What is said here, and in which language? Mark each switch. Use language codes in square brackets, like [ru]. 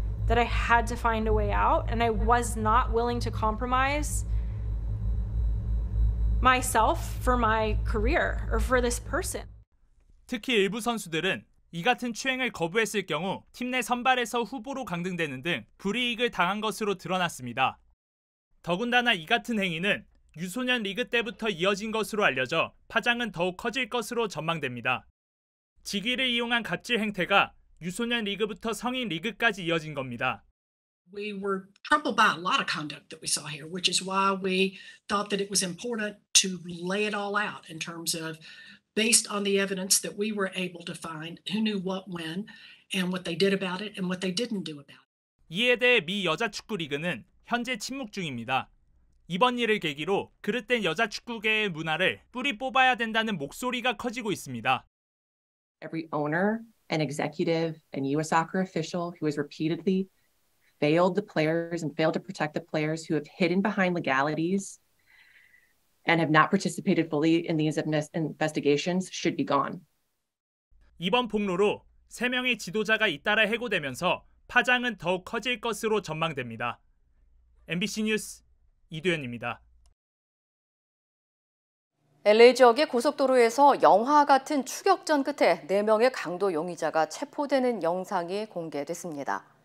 [en] that I had to find a way out, and I was not willing to compromise myself for my career or for this person. [ko] 특히 일부 선수들은 이 같은 추행을 거부했을 경우 팀 내 선발에서 후보로 강등되는 등 불이익을 당한 것으로 드러났습니다. 더군다나 이 같은 행위는 유소년 리그 때부터 이어진 것으로 알려져 파장은 더욱 커질 것으로 전망됩니다. 직위를 이용한 갑질 행태가 유소년 리그부터 성인 리그까지 이어진 겁니다. [en] We were troubled by a lot of conduct that we saw here, which is why we thought that it was important to lay it all out in terms of based on the evidence that we were able to find, who knew what when and what they did about it and what they didn't do about it. [ko] 이에 대해 미 여자 축구 리그는 현재 침묵 중입니다. 이번 일을 계기로 그릇된 여자 축구계의 문화를 뿌리 뽑아야 된다는 목소리가 커지고 있습니다. [en] Every owner, an executive, and US soccer official who has repeatedly failed the players and failed to protect the players who have hidden behind legalities and have not participated fully in these investigations should be gone. [ko] 이번 폭로로 세 명의 지도자가 잇따라 해고되면서 파장은 더욱 커질 것으로 전망됩니다. MBC 뉴스 이두현입니다. LA 지역의 고속도로에서 영화 같은 추격전 끝에 4명의 강도 용의자가 체포되는 영상이 공개됐습니다.